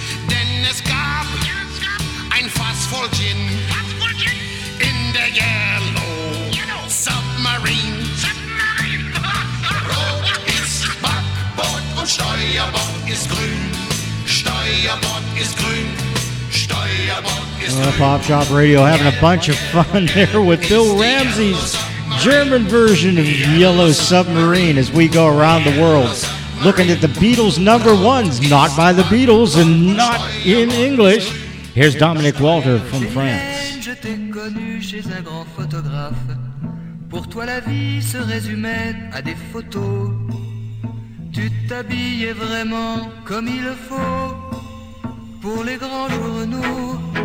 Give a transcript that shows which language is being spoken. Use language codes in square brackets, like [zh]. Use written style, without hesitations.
[de] Denn es gab, ja, es gab ein Fass voll Gin, Fass voll Gin. In der Yellow, [en] Yellow Submarine. Submarine. [de] Rot ist Backbord und Steuerbord ist grün. Steuerbord ist grün. Steuerbord ist grün. [en] Pop Shop Radio having a bunch of fun there with Bill Ramsey's German version of Yellow Submarine as we go around the world. Looking at the Beatles number ones, not by the Beatles and not in English. Here's Dominic Walter from France. [fr] Je t'ai connu chez un grand photographe. Pour toi la vie se résumait à des photos. Tu t'habillais vraiment comme il faut pour les grands journaux.